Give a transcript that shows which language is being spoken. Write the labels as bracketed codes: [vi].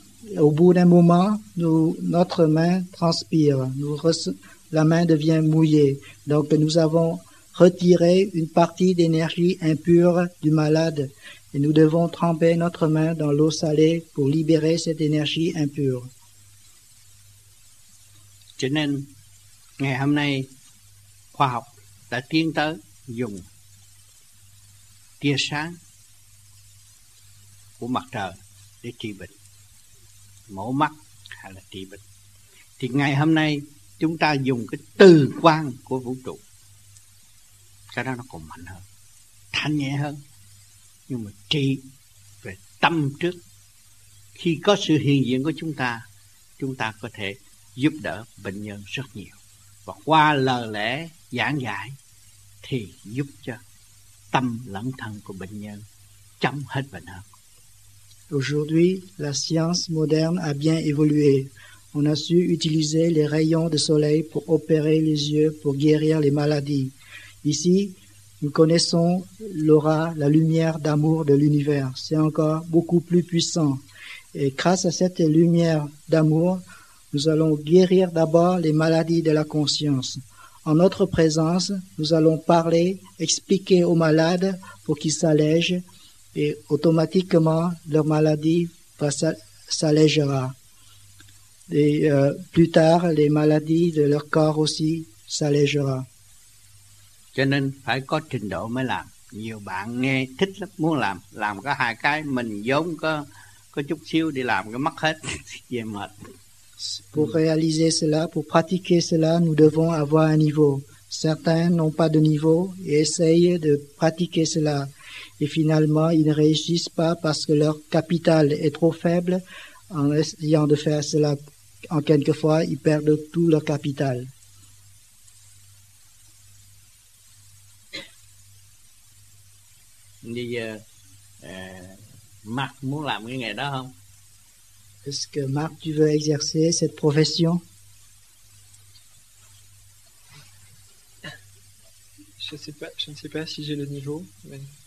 [fr] Et au bout d'un moment, notre main transpire, la main devient mouillée. Donc nous avons retiré une partie d'énergie impure du malade et nous devons tremper notre main dans l'eau salée pour libérer cette énergie impure. [vi] Cho nên ngày hôm nay khoa học đã tiến tới dùng tia sáng của mặt trời để trị bệnh mổ mắt hay là trị bệnh. Thì ngày hôm nay chúng ta dùng cái từ quang của vũ trụ, cái đó nó còn mạnh hơn, thanh nhẹ hơn, nhưng mà trị về tâm trước. Khi có sự hiện diện của chúng ta có thể giúp đỡ bệnh nhân rất nhiều. Và qua lời lẽ giảng giải thì giúp cho tâm lẫn thân của bệnh nhân chấm hết bệnh hơn. [fr] Aujourd'hui, la science moderne a bien évolué. On a su utiliser les rayons de soleil pour opérer les yeux, pour guérir les maladies. Ici, nous connaissons l'aura, la lumière d'amour de l'univers. C'est encore beaucoup plus puissant. Et grâce à cette lumière d'amour, nous allons guérir d'abord les maladies de la conscience. En notre présence, nous allons parler, expliquer aux malades pour qu'ils s'allègent et automatiquement leur maladie s'allégera. Et plus tard, les maladies de leur corps aussi s'allégera. [vi] Cho nên phải có trình độ mới làm. Nhiều bạn nghe thích lắm, muốn làm. Làm có hai cái, mình giống có chút xíu đi làm cái mất hết, về mệt. [fr] Pour réaliser cela, pour pratiquer cela, nous devons avoir un niveau. Certains n'ont pas de niveau et essayent de pratiquer cela. Et finalement, ils ne réussissent pas parce que leur capital est trop faible. En essayant de faire cela en quelques fois, ils perdent tout leur capital. [vi] Bây giờ Marc muốn làm cái nghề đó không? [fr] Est-ce que Marc, tu veux exercer cette profession? Je ne sais pas si j'ai le niveau, mais